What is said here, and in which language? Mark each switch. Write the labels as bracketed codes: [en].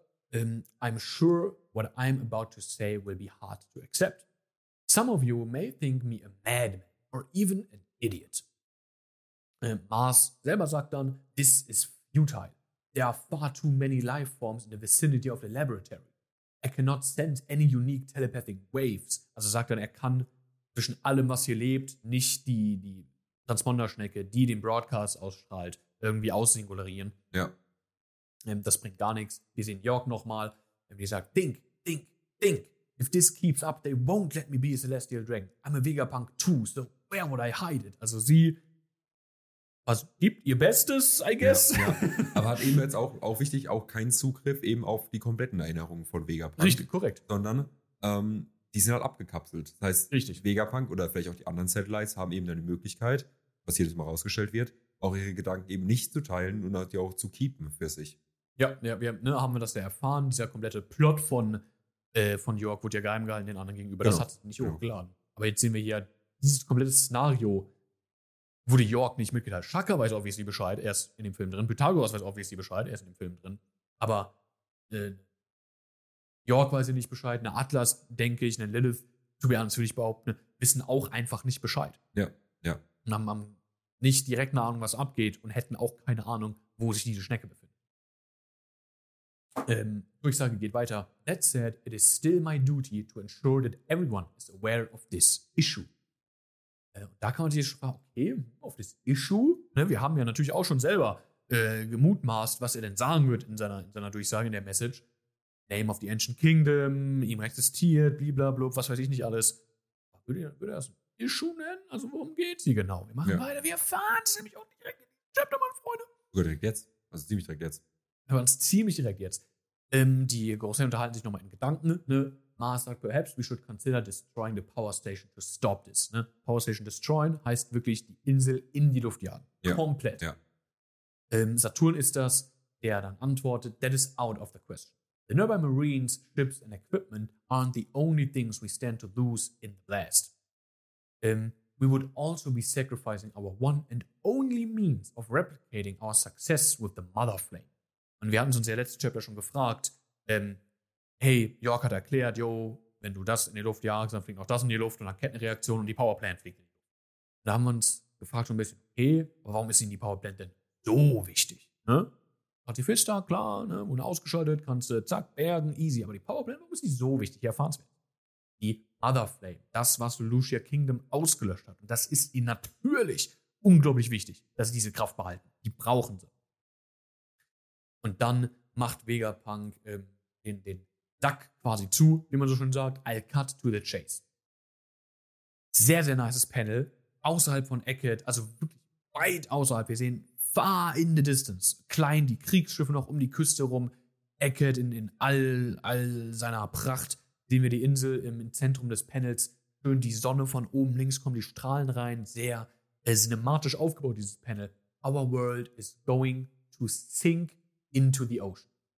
[en] I'm sure what I'm about to say will be hard to accept. Some of you may think me a madman or even an idiot. [de] Mars selber sagt dann, [en] this is futile. There are far too many life forms in the vicinity of the laboratory. I cannot sense any unique telepathic waves. [de] Also sagt dann, er kann zwischen allem, was hier lebt, nicht die Transponderschnecke, die den Broadcast ausstrahlt, irgendwie aussingularieren. Ja. Das bringt gar nichts. Wir sehen York nochmal. Die sagt, think. [en] If this keeps up, they won't let me be a celestial dragon. I'm a Vegapunk too, so where would I hide it? [de] Also sie gibt ihr Bestes, [en] I guess. [de] Ja, aber hat eben jetzt auch wichtig, auch keinen Zugriff eben auf die kompletten Erinnerungen von Vegapunk. Richtig, korrekt. Sondern die sind halt abgekapselt. Das heißt, richtig. Vegapunk oder vielleicht auch die anderen Satellites haben eben dann die Möglichkeit, was jedes Mal rausgestellt wird, auch ihre Gedanken eben nicht zu teilen und halt die auch zu keepen für sich. Ja, wir, ne, haben wir das ja erfahren. Dieser komplette Plot von York wurde ja geheim gehalten den anderen gegenüber. Genau. Das hat nicht hochgeladen. Aber jetzt sehen wir hier dieses komplette Szenario, wurde York nicht mitgeteilt. Shaka weiß obviously Bescheid, er ist in dem Film drin. Pythagoras weiß obviously Bescheid, er ist in dem Film drin. Aber York weiß ja nicht Bescheid. Eine Atlas, denke ich, eine Lilith, [en] to be honest, [de] würde ich behaupten, wissen auch einfach nicht Bescheid. Ja. Und haben nicht direkt eine Ahnung, was abgeht und hätten auch keine Ahnung, wo sich diese Schnecke befindet. Durchsage geht weiter. [en] That said, it is still my duty to ensure that everyone is aware of this issue. [de] Da kann man sich schon fragen, okay, auf das Issue? Ne, wir haben ja natürlich auch schon selber gemutmaßt, was er denn sagen wird in seiner Durchsage, in der Message. Name of the Ancient Kingdom, ihm existiert, blablabla, was weiß ich nicht alles. Würde er das ein Issue nennen? Also worum geht's hier genau? Wir machen weiter, wir fahren ziemlich auch direkt in die Chapter, meine Freunde. Sogar direkt jetzt? Also ziemlich direkt jetzt? Wir machen es ziemlich direkt jetzt. Die Großen unterhalten sich nochmal in Gedanken, ne? [en] Master, perhaps we should consider destroying the power station to stop this. [de] Ne? Power station destroyen heißt wirklich die Insel in die Luft jagen. Ja. Komplett. Ja. Saturn ist das, der dann antwortet, [en] that is out of the question. The nearby marines, ships and equipment aren't the only things we stand to lose in the blast. We would also be sacrificing our one and only means of replicating our success with the mother flame. [de] Und wir hatten uns ja letzte Chapter schon gefragt, hey, York hat erklärt, yo, wenn du das in die Luft jagst, dann fliegt auch das in die Luft und dann Kettenreaktion und die Powerplant fliegt in die Luft. Da haben wir uns gefragt schon ein bisschen, okay, aber warum ist ihnen die Powerplant denn so wichtig? Ne? Artifista, klar, ne, wurde ausgeschaltet, kannst du zack, bergen, easy, aber die Powerplant, warum ist die so wichtig? Hier erfahren wir. Die Mother Flame, das, was Lucia Kingdom ausgelöscht hat, und das ist ihnen natürlich unglaublich wichtig, dass sie diese Kraft behalten. Die brauchen sie. Und dann macht Vegapunk den Duck quasi zu, wie man so schön sagt, [en] I'll cut to the chase. [de] Sehr, sehr nices Panel, außerhalb von Eckert, also wirklich weit außerhalb. Wir sehen [en] far in the distance, [de] klein die Kriegsschiffe noch um die Küste rum, Eckert in all seiner Pracht, sehen wir die Insel im Zentrum des Panels, schön die Sonne von oben links kommen, die Strahlen rein, sehr cinematisch aufgebaut, dieses Panel. [en] Our world is going to sink into the ocean.